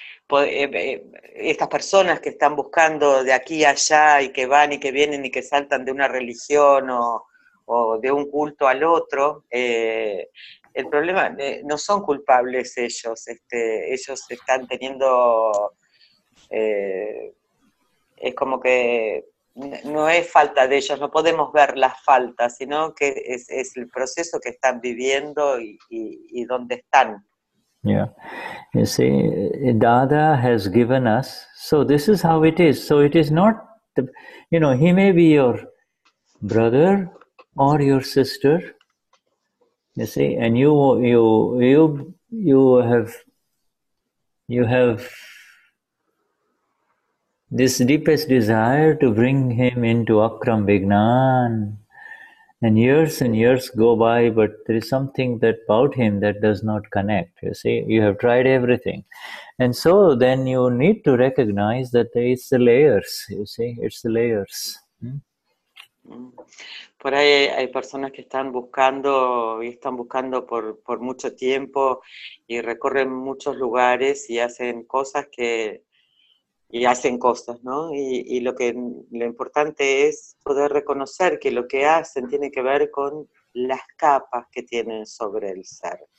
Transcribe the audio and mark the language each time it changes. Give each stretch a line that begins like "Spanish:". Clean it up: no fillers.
Spanish: Estas personas que están buscando de aquí a allá y que van y que vienen y que saltan de una religión o de un culto al otro, el problema, no son culpables ellos. Ellos están teniendo... es como que... No es falta de ellos, no podemos ver las faltas, sino que es el proceso que están viviendo y dónde están.
English: Yeah. You see, Dada has given us, so this is how it is. So it is not, you know, he may be your brother or your sister, you see, and you have this deepest desire to bring him into Akram Vignan. And years go by, but there is something that about him that does not connect. You see, you have tried everything. And so then you need to recognize that it's the layers, you see, it's the layers.
Spanish: Por ahí hay personas que están buscando y están buscando por mucho tiempo y recorren muchos lugares y hacen cosas que... Y hacen cosas, ¿no? Y lo importante es poder reconocer que lo que hacen tiene que ver con las capas que tienen sobre el ser.